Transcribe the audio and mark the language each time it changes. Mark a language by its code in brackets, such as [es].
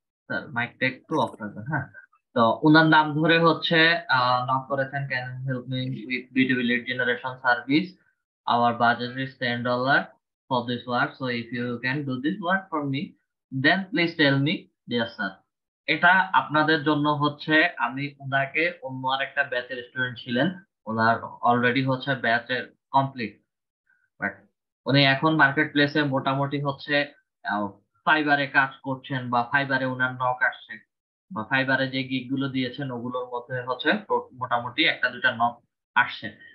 [bn] Sir মাইকটা একটু of রাখবেন। হ্যাঁ, তো ওনার নাম ধরে হচ্ছে নক করেছেন, [en] Can help me with B2B lead generation service, our budget is $10, for this work. So if you can do this work for me, then please tell me, dear sir. [bn] এটা আপনাদের জন্য হচ্ছে, আমি ওনাকে অন্য আরেকটা ব্যাচের স্টুডেন্ট ছিলেন, ওনার অলরেডি হচ্ছে ব্যাচের কমপ্লিট, বাট উনি এখন মার্কেট প্লেসে মোটামুটি হচ্ছে ফাইবারে কাজ করছেন, বা ফাইবারে ওনার নক আসছে, বা ফাইবারে যে গিগ গুলো দিয়েছেন ওগুলোর মধ্যে হচ্ছে মোটামুটি একটা দুটা নক আসছে।